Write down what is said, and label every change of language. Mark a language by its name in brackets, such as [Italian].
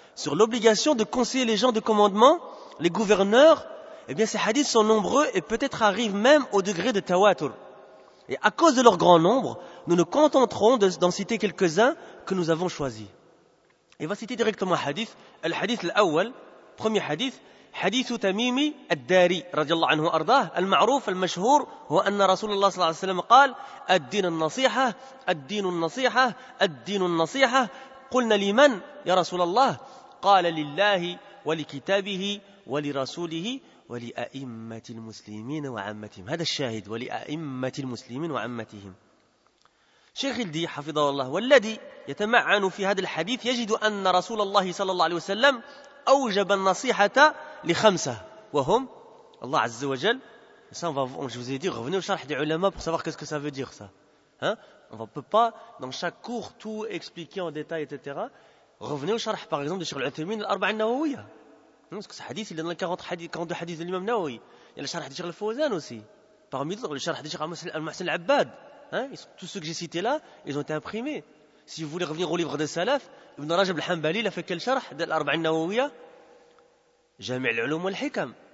[French] Sur l'obligation de conseiller les gens de commandement, les gouverneurs, eh bien ces hadiths sont nombreux et peut-être arrivent même au degré de tawatur. Et à cause de leur grand nombre, nous nous contenterons d'en citer quelques-uns que nous avons choisis. Il va citer directement un hadith, le hadith l'awwal, premier hadith, [Arabic] حديث تميم الداري رضي الله عنه وأرضاه المعروف المشهور هو أن رسول الله صلى الله عليه وسلم قال: الدين النصيحة، الدين النصيحة، الدين النصيحة. قلنا: لمن يا رسول الله؟ قال: لله ولكتابه ولرسوله ولأئمة المسلمين وعامتهم. هذا الشاهد: ولأئمة المسلمين وعامتهم. شيخ الدي حفظه الله والذي يتمعن في هذا الحديث يجد أن رسول الله صلى الله عليه وسلم أوجب النصيحة لخمسة، وهم الله عز وجل. [French] ça va on je vous ai dit revenez au sharh des ulama pour savoir qu'est-ce que ça veut dire ça hein on va peut pas dans chaque cours tout expliquer en détail etc revenez au sharh par exemple de Cheikh Al-Uthaymeen l'arba'a an-nawawiya parce que ce hadith il est dans les 40 hadith 42 hadith de l'imam Nawawi il y a le sharh de Cheikh Al-Fawzan aussi parmi d'autres le sharh de Cheikh Al-Muhsin Al-Abbad hein tous ceux que j'ai cités là ils ont été imprimés si vous voulez revenir au livre des salaf Ibn Rajab Al-Hanbali il a fait quel sharh de l'arba'a an-nawawiya جميع العلوم والحكم